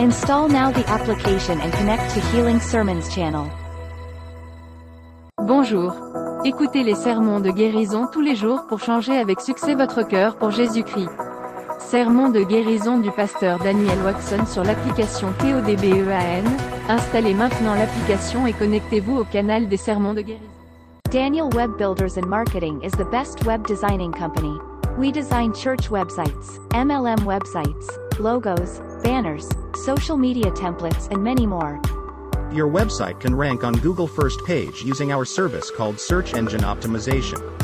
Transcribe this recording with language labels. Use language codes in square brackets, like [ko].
[en] Install now the application and connect to Healing Sermons channel. [fr] Bonjour. Écoutez les sermons de guérison tous les jours pour changer avec succès votre cœur pour Jésus-Christ. Sermon de guérison du pasteur Daniel Watson sur l'application TODBEAN. Installez maintenant l'application et connectez-vous au canal des sermons de guérison. [en] Daniel Web Builders and Marketing is the best web designing company. We design church websites, MLM websites, logos, banners, social media templates and many more. Your website can rank on Google first page using our service called Search Engine Optimization.